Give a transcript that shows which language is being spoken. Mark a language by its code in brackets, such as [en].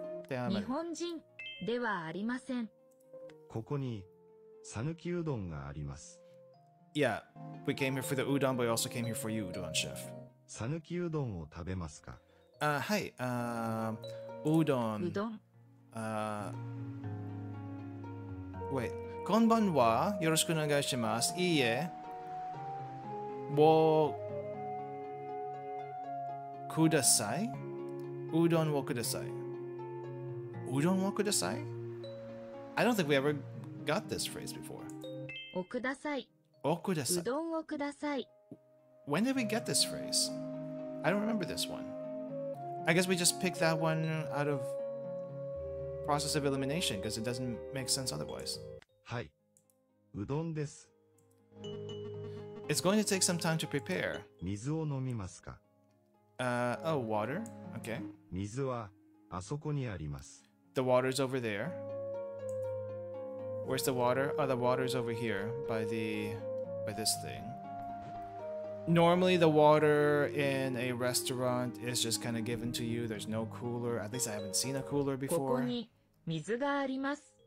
[ja] 日本人 ではありません. ここにさぬきうどんがあります. [en] Yeah, we came here for the udon, but we also came here for you, udon chef. [ja] さぬきうどんを食べますか? はい.Udon. Udon. [en] Wait. [ja] こんばんは。よろしくお願いします。いいえ。もうください。うどんをください。うどんをください。 [en] I don't think we ever got this phrase before. [ja] おください。おください。うどんをください。 [en] When did we get this phrase? I don't remember this one. I guess we just picked that one out of process of elimination because it doesn't make sense otherwise. [ja] はい。うどんです。 [en] It's going to take some time to prepare. [ja] 水を飲みますか? [en] Water? Okay. [ja] 水はあそこにあります。 [en] The water is over there. Where's the water? Oh, the water is over here by this thing. Normally the water in a restaurant is just kind of given to you. There's no cooler. At least I haven't seen a cooler before. [ja] ここに水があります。